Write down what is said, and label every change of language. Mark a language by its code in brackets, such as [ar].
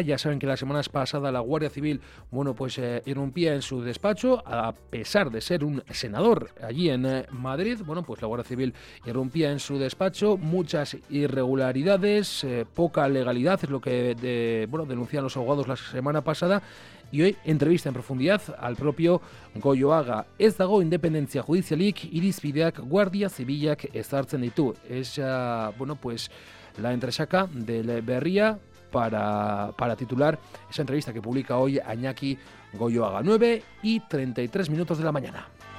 [es] Ya saben que la semana pasada la Guardia Civil, bueno, pues irrumpía en su despacho, a pesar de ser un senador allí en Madrid. Bueno, pues la Guardia Civil irrumpía en su despacho, muchas irregularidades, poca legalidad, es lo que denuncian los abogados la semana pasada. Y hoy entrevista en profundidad al propio Goioaga. [eu] Ez dago independentzia judizialik irizpideak Guardia Zibilak ezartzen ditu. [es] La entresaca del Berria para titular esa entrevista que publica hoy Iñaki Goioaga. 9:33 de la mañana.